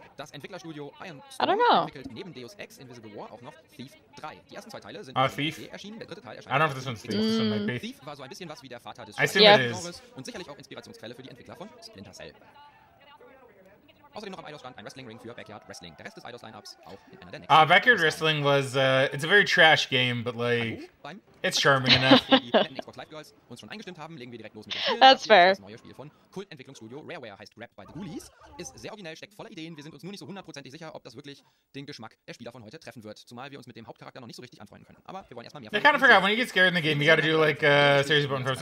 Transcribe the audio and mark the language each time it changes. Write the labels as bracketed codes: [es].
[de] Das Entwicklerstudio Iron Storm entwickelt neben Deus Ex Invisible War auch noch Thief 3. Die ersten zwei Teile sind erschienen, der dritte Teil erscheint. [en] I don't know if this one's Thief. [de] Thief war so ein bisschen was wie der Vater des Spiels und sicherlich auch Inspirationsquelle für die Entwickler von Splinter Cell. Außerdem noch am Eidos-Stand ein Wrestling-Ring für Backyard Wrestling. Der Rest des Eidos-Lineups auch in einer der nächsten. [en] Backyard Wrestling was, it's a very trash game, but like, it's charming enough. [de] Wenn Xbox Live Girls uns schon eingestimmt haben, legen wir direkt los mit dem Spiel. [en] That's fair. [de] Das neue Spiel von Kult-Entwicklungsstudio Rareware heißt Rap by the Ghoulies. Ist sehr originell, steckt voller Ideen. Wir sind uns nur nicht so hundertprozentig sicher, ob das wirklich den Geschmack der Spieler von heute treffen wird. Zumal wir uns mit dem Hauptcharakter noch nicht so richtig anfreunden können. Aber wir wollen erstmal mehr [en] von. I kind of forgot, when you get scared in the game, you gotta do like, series of button first.